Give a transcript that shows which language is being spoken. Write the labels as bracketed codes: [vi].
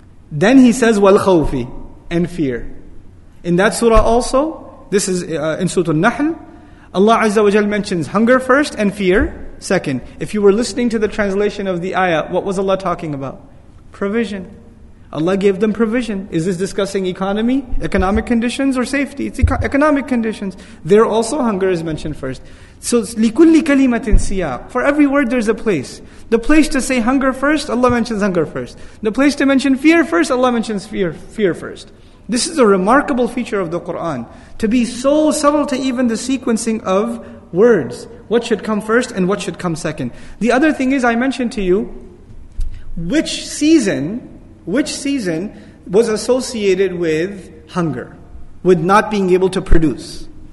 [en] Then He says, [ar] وَالْخَوْفِ, [en] and fear. In that surah also, this is in Surah An-Nahl, Allah Azza wa Jal mentions hunger first and fear second. If you were listening to the translation of the ayah, what was Allah talking about? Provision. Allah gave them provision. Is this discussing economy, economic conditions, or safety? It's economic conditions. There also hunger is mentioned first. So [ar] لِكُلِّ كَلِمَةٍ سِيَاقٍ. [en] For every word there's a place. The place to say hunger first, Allah mentions hunger first. The place to mention fear first, Allah mentions fear first. This is a remarkable feature of the Qur'an. To be so subtle to even the sequencing of words. What should come first and what should come second. The other thing is, I mentioned to you, which season was associated with hunger, with not being able to produce?